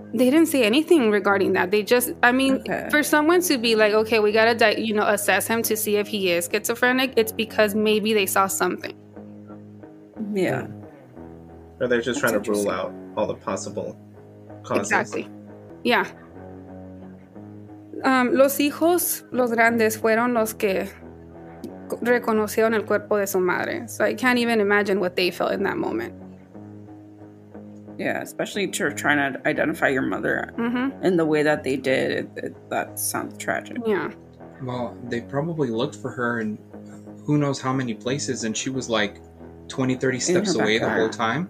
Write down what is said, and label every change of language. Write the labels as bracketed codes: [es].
[en] They didn't say anything regarding that. They just, I mean, okay. For someone to be like, okay, we got to, you know, assess him to see if he is schizophrenic, it's because maybe they saw something. Yeah. Or they're just That's trying to rule out all the possible causes. Exactly. Yeah. [es] Los hijos, los grandes, fueron los que reconocieron el cuerpo de su madre. [en] So I can't even imagine what they felt in that moment. Yeah, especially to trying to identify your mother in the way that they did. That sounds tragic. Yeah. Well, they probably looked for her in who knows how many places, and she was like 20, 30 steps away the whole time.